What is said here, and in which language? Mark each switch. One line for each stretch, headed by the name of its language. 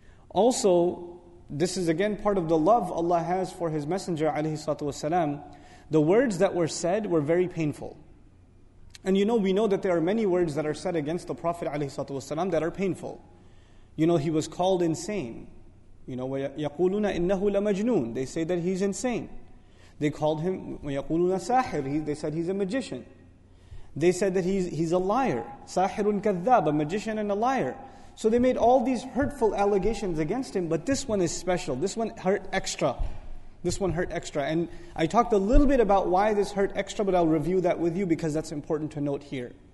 English: Also, this is again part of the love Allah has for His Messenger alayhi salatu wasalam. The words that were said were very painful. And you know, we know that there are many words that are said against the Prophet ﷺ that are painful. You know, he was called insane. You know,
Arabic: وَيَقُولُونَ إِنَّهُ لَمَجْنُونَ.
English: They say that he's insane. They called him,
Arabic: وَيَقُولُونَ سَاحِرٌ.
English: They said he's a magician. They said that he's a liar.
Arabic: سَاحِرٌ كَذَّاب,
English: a magician and a liar. So they made all these hurtful allegations against him, but this one is special. This one hurt extra. This one hurt extra. And I talked a little bit about why this hurt extra, but I'll review that with you because that's important to note here.